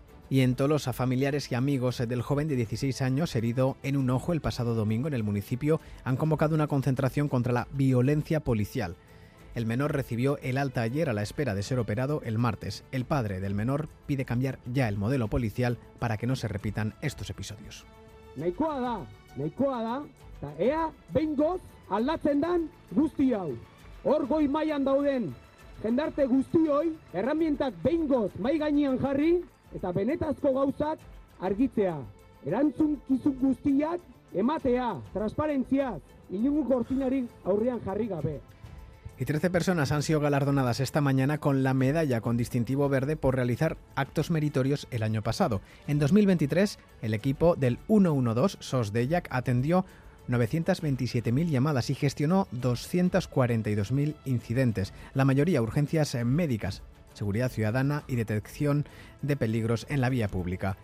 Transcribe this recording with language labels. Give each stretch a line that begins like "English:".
Spanish: Y en Tolosa, familiares y amigos del joven de 16 años herido en un ojo el pasado domingo en el municipio han convocado una concentración contra la violencia policial. El menor recibió el alta ayer a la espera de ser operado el martes. El padre del menor pide cambiar ya el modelo policial para que no se repitan estos episodios.
Basque: Nahikoa da, eta ea behingoz aldatzen dan guzti hau. Hor goi mailan dauden jendarte guztioi erramientak behingoz mai gainean jarri eta benetazko gauzak argitzea. Erantzunkizun guztiak ematea, transparentziaz, inungu kortinari aurrean jarri gabe.
Spanish: Y 13 personas han sido galardonadas esta mañana con la medalla con distintivo verde por realizar actos meritorios el año pasado. En 2023, el equipo del 112 SOS Deiak atendió 927.000 llamadas y gestionó 242.000 incidentes, la mayoría urgencias médicas, seguridad ciudadana y detección de peligros en la vía pública.